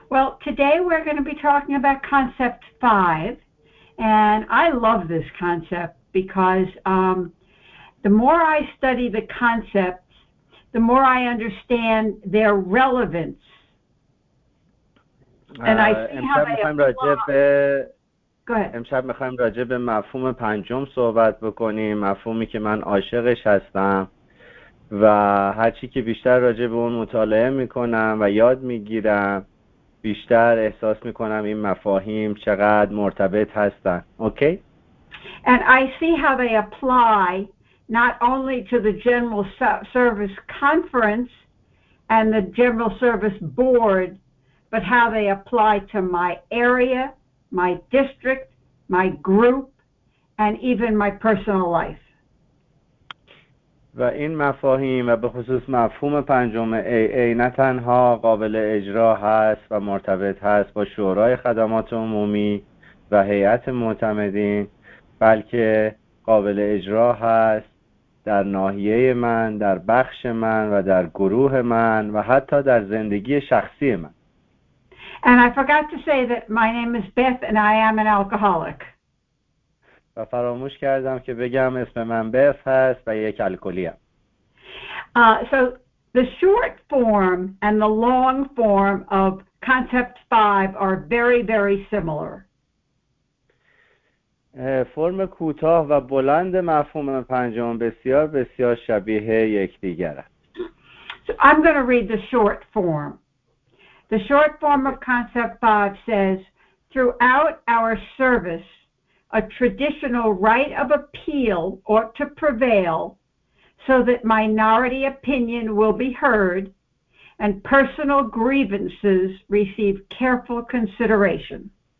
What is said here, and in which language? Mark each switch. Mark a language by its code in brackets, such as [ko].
[en] Well, today we're going to be talking about concept 5. And I love this concept because the more I study the concepts, the more I understand their relevance. And I see how they apply. [fa] امشب میخوایم راجع به مفهوم پنجم صحبت بکنیم، مفهومی که من عاشقش هستم و هرچی که بیشتر راجع به اون مطالعه میکنم و یاد میگیرم بیشتر احساس میکنم این مفاهیم چقدر مرتبط هستن. اوکی؟ [en] And I see how they apply not only to the General Service Conference and the General Service Board, but how they apply to my area, my district, my group, and even my personal life. [fa] و این مفاهیم و به خصوص مفهوم پنجم AA نه تنها قابل اجرا هست و مرتبط هست با شورای خدمات عمومی و هیئت معتمدین، بلکه قابل اجرا هست در ناحیه من، در بخش من و در گروه من و حتی در زندگی شخصی من. [en] And I forgot to say that my name is Beth and I am an alcoholic. [fa] و فراموش کردم که بگم اسم من بس هست و یک الکلی هم. [en] So the short form and the long form of concept 5 are very, very similar. [fa] فرم کوتاه و بلند مفهوم پنجم بسیار بسیار شبیه یک دیگر هست. [en] So I'm going to read the short form. The short form of concept 5 says, throughout our service, a traditional right of appeal ought to prevail so that minority opinion will be heard and personal grievances receive careful consideration.